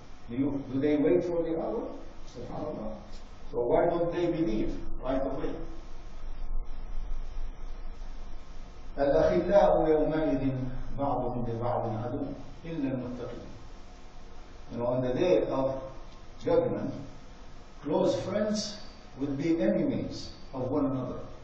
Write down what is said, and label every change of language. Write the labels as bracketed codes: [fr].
[en] Do they wait for the hour? SubhanAllah. So why don't they believe right away? [ar] الأخلاء يومئذ بعضهم لبعض عدو إلا المتقين. [en] You know, on the day of judgment, close friends would be enemies of one another.